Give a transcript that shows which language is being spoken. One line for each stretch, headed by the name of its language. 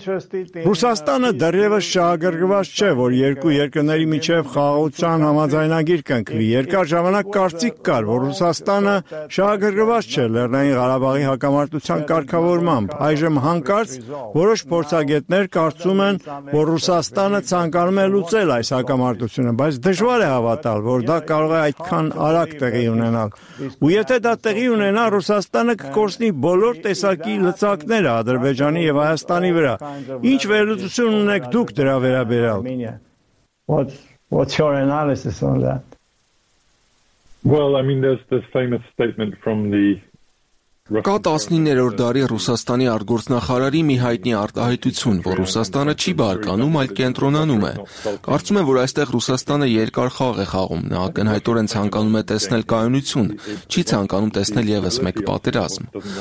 Armenian: Ռուսաստանը դեռևս շահագրգված չէ, որ երկու երկրների միջև խաղաղության համաձայնագիր կընկնի։ Երկար ժամանակ կարծիք կար, որ Ռուսաստանը շահագրգված չէ Լեռնային Ղարաբաղի հակամարտության կարգավորմամբ։ Այժմ հանկարծ որոշ փորձագետներ կարծում են, որ Ռուսաստանը ցանկանում է լուծել այս հակամարտությունը, բայց դժվար է հավատալ, որ դա կարող է այդքան արագ տեղի ունենալ։ Ու եթե դա տեղի ունենա, Ռուսաստանը կկորցնի բոլոր տեսակի լծակներ Ադրբեջանի եւ Հայաստանի վրա։ Ինչ վերլուծություն ունեք դուք դրա վերաբերյալ?
English: What's your analysis on that? Well, I mean there's this famous statement from the
Armenian: Կա 19-րդ դարի Ռուսաստանի արտգործնախարարի մի հայտնի արտահայտություն, որ Ռուսաստանը չի բարկանում, այլ կենտրոնանում է։ Կարծում եմ, որ այստեղ Ռուսաստանը երկար խաղ է խաղում, նա ակնհայտորեն ցանկանում է տեսնել կայունություն, չի ցանկանում տեսնել եւս մեկ պատերազմ։